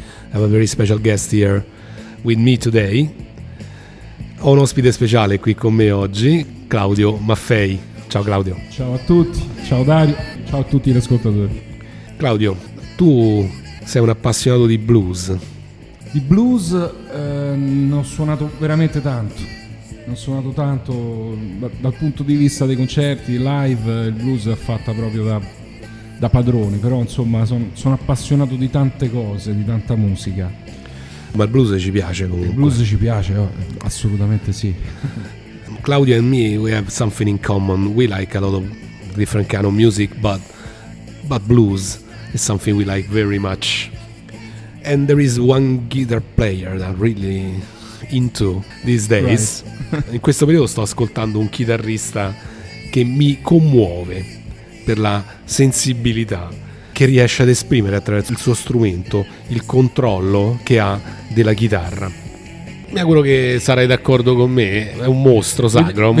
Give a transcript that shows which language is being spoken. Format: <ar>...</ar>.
<en>I have a very special guest here with me today.</en> <it>Ho un ospite speciale qui con me oggi, Claudio Maffei. Ciao Claudio. Ciao a tutti, ciao Dario, ciao a tutti gli ascoltatori. Claudio, tu sei un appassionato di blues. Di blues ne ho suonato veramente tanto. Ne ho suonato tanto dal punto di vista dei concerti, live, il blues è fatta proprio da padroni. Però insomma sono appassionato di tante cose, di tanta musica. Ma il blues ci piace comunque. Il blues ci piace, assolutamente sì.</it> <en>Claudio and me, we have something in common. We like a lot of different kind of music, but blues is something we like very much. And there is one guitar player that I'm really into these days. Right.</en> <it>In questo periodo sto ascoltando un chitarrista che mi commuove per la sensibilità che riesce ad esprimere attraverso il suo strumento, il controllo che ha della chitarra. Mi auguro che sarai d'accordo con me, è un mostro sacro, un</it>